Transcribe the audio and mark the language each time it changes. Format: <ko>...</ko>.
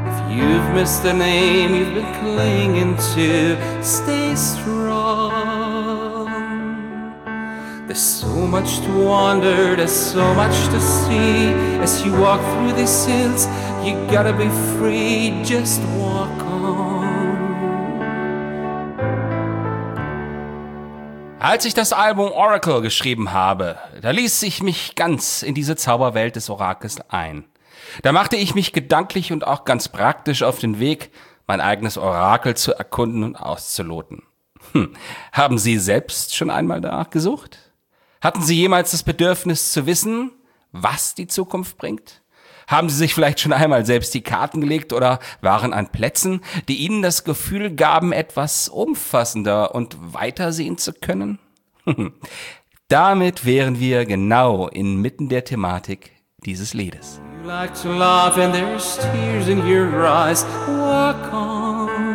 <en>You've missed the name you've been clinging to, stay strong. There's so much to wonder, there's so much to see. As you walk through these hills, you gotta be free, just walk on.</en> <de>Als ich das Album Oracle geschrieben habe, da ließ ich mich ganz in diese Zauberwelt des Orakels ein. Da machte ich mich gedanklich und auch ganz praktisch auf den Weg, mein eigenes Orakel zu erkunden und auszuloten. Haben Sie selbst schon einmal danach gesucht? Hatten Sie jemals das Bedürfnis zu wissen, was die Zukunft bringt? Haben Sie sich vielleicht schon einmal selbst die Karten gelegt oder waren an Plätzen, die Ihnen das Gefühl gaben, etwas umfassender und weiter sehen zu können? Damit wären wir genau inmitten der Thematik dieses Liedes.</de> <en>Like to laugh and there's tears in your eyes, walk on.</en>